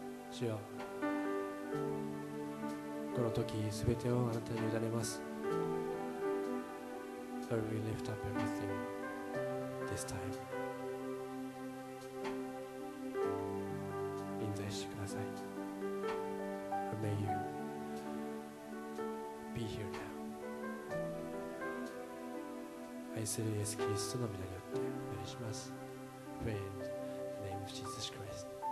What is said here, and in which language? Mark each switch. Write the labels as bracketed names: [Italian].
[Japanese] 主よ、この時すべてをあなたに委ねます。 [English] Lord, we lift up everything this time. [Japanese] 臨在してください。 [English] Lord, may you be here now. [Japanese] 愛するイエスキリストの御名によってお祈りします。 [English] Pray in the name of Jesus Christ.